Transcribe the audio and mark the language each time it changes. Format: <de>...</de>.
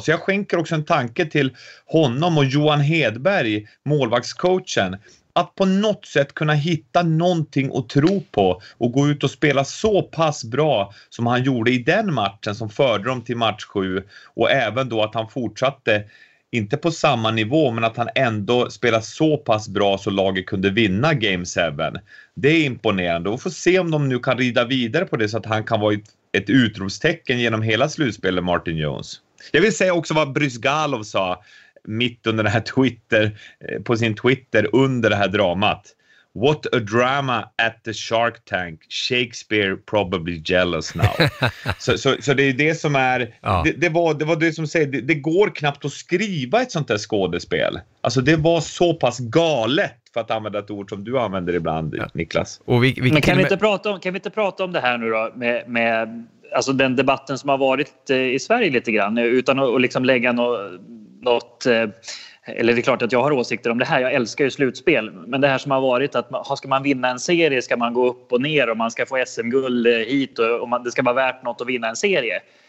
<sv>Så jag skänker också en tanke till honom och Johan Hedberg, målvaktscoachen, att på något sätt kunna hitta någonting att tro på och gå ut och spela så pass bra som han gjorde i den matchen som förde dem till match 7, och även då att han fortsatte, inte på samma nivå, men att han ändå spelar så pass bra så laget kunde vinna Game 7. Det är imponerande. Och får se om de nu kan rida vidare på det så att han kan vara ett utropstecken genom hela slutspelet, Martin Jones. Jag vill säga också vad Bryzgalov sa mitt under det här Twitter, på sin Twitter under det här dramat.</sv> <en>What a drama at the Shark Tank. Shakespeare probably jealous now.</en> <sv>Så det är det som är, ja. det var det som säger, det går knappt att skriva ett sånt där skådespel. Alltså det var så pass galet, för att använda ett ord som du använder ibland, ja. Niklas. Och kan vi inte prata om det här nu då med alltså den debatten som har varit i Sverige lite grann, utan att liksom lägga något eller det är klart att jag har åsikter om det här, jag älskar ju slutspel, men det här som har varit att ska man vinna en serie, ska man gå upp och ner och man ska få SM-guld hit och det ska vara värt något att vinna en serie.</sv>